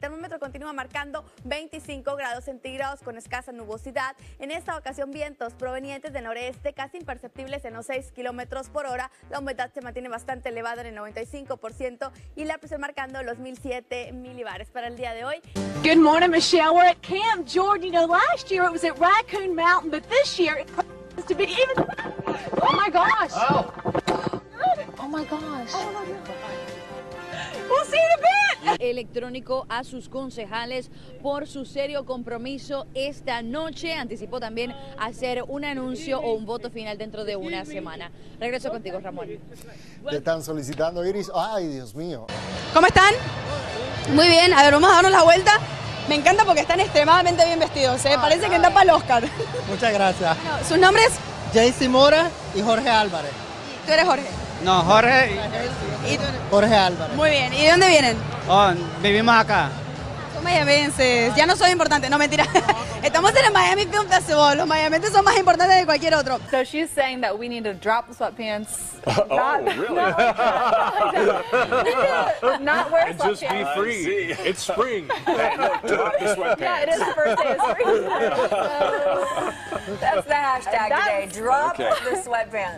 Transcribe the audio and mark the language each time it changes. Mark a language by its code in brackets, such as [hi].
[es] termómetro continúa marcando 25 grados centígrados con escasa nubosidad. En esta ocasión, vientos provenientes del noreste, casi imperceptibles en los 6 kilómetros por hora. La humedad se mantiene bastante elevada en el 95% y la presión marcando los 1,007 milibares para el día de hoy. [en] Good morning, Michelle. We're at Camp Jordan. You know, last year it was at Raccoon Mountain, but this year it promises to be even... Oh, my gosh. Oh, oh my gosh. Oh, my God. We'll see you in a bit. [es] Electrónico a sus concejales por su serio compromiso esta noche. Anticipó también hacer un anuncio o un voto final dentro de una semana. Regreso contigo, Ramón. Te están solicitando, Iris. Ay, Dios mío. ¿Cómo están? Muy bien. A ver, vamos a darnos la vuelta. Me encanta porque están extremadamente bien vestidos. ¿Eh? Parece que andan para el Oscar. Muchas gracias. Bueno, ¿sus nombres? Jaycee Mora y Jorge Álvarez. ¿Tú eres Jorge? No, Jorge. Jorge Álvarez. Muy bien. ¿Y de dónde vienen? Oh, vivimos acá. Son mayamenses. Ya no soy importante. No, mentira. Estamos en el Miami Film Festival. Los mayamenses son más importantes que cualquier otro. [en] So she's saying that we need to drop the sweatpants. Oh, not, really? Not wear sweatpants. Just be free. It's spring. Drop the sweatpants. Yeah, it is the first day of spring. That's the hashtag today. Drop the sweatpants.